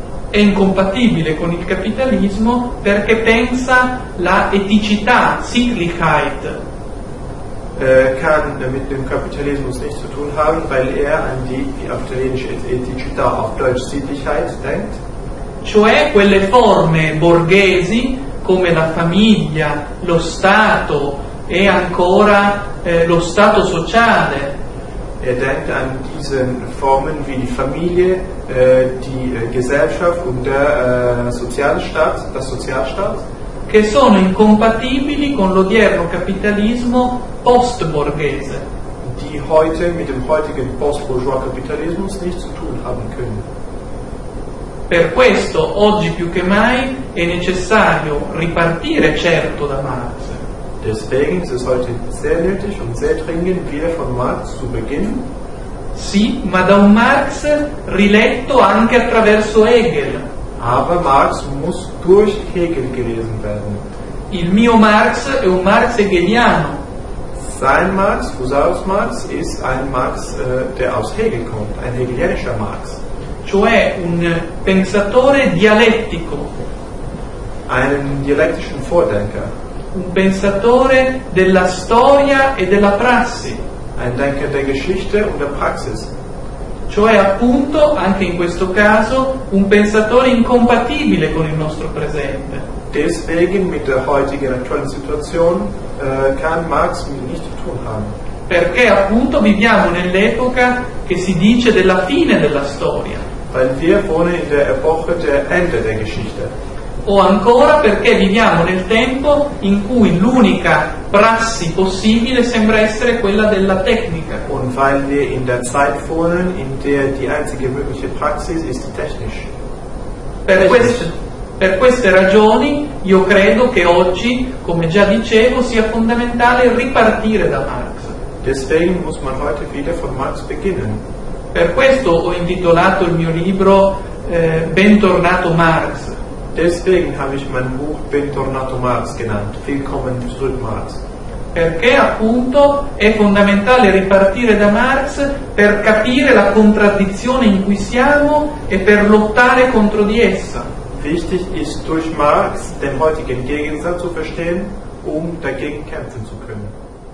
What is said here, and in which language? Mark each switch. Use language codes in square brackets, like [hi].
[it] È incompatibile con il capitalismo perché pensa la eticità, Sittlichkeit. [de] Kann mit dem Kapitalismus nichts zu tun haben, weil an die italienische eticità, auf Deutsch Sittlichkeit, denkt. [it] Cioè quelle forme borghesi come la famiglia, lo Stato e ancora lo Stato sociale. [de] Er denkt an diese Formen wie die Familie, die Gesellschaft und der Sozialstaat, das Sozialstaat, [it] che sono incompatibili con l'odierno capitalismo post-borghese, [de] die heute mit dem heutigen post-bourgeois Kapitalismus nichts zu tun haben können. [it] Per questo oggi più che mai è necessario ripartire certo da Marx. [de] Deswegen ist es heute sehr nötig und sehr dringend, wieder von Marx zu beginnen. [it] Sì, ma da un Marx riletto anche attraverso Hegel. [de] Aber Marx muss durch Hegel gelesen werden. [it] Il mio Marx è un Marx hegeliano. [de] Sein Marx, Husserls Marx, ist ein Marx, der aus Hegel kommt, ein hegelianischer Marx. [it] Cioè un pensatore dialettico. [de] Einen dialettischen Vordenker. [it] Un pensatore della storia e della prassi. [de] Ein Denker der Geschichte und der Praxis. [it] Cioè appunto, anche in questo caso, un pensatore incompatibile con il nostro presente. [de] Deswegen mit der heutigen aktuellen Situation kann Marx nichts zu tun haben. [it] Perché appunto viviamo nell'epoca che si dice della fine della storia. [de] Weil wir wohnen in der Epoche der Ende der Geschichte. [it] O ancora perché viviamo nel tempo in cui l'unica prassi possibile sembra essere quella della tecnica. [de] Und weil wir in der Zeit wohnen, in der die einzige mögliche Praxis ist die technische. [it] Per queste ragioni io credo che oggi, come già dicevo, sia fondamentale ripartire da Marx. [de] Deswegen muss man heute wieder von Marx beginnen. [it] Per questo ho intitolato il mio libro Bentornato Marx. [de] Deswegen habe ich mein Buch Bentornato Marx genannt. Willkommen zurück, Marx. [it] Perché appunto è fondamentale ripartire da Marx per capire la contraddizione in cui siamo e per lottare contro di essa. [de] Wichtig ist durch Marx den heutigen Gegensatz zu verstehen, um dagegen kämpfen zu können.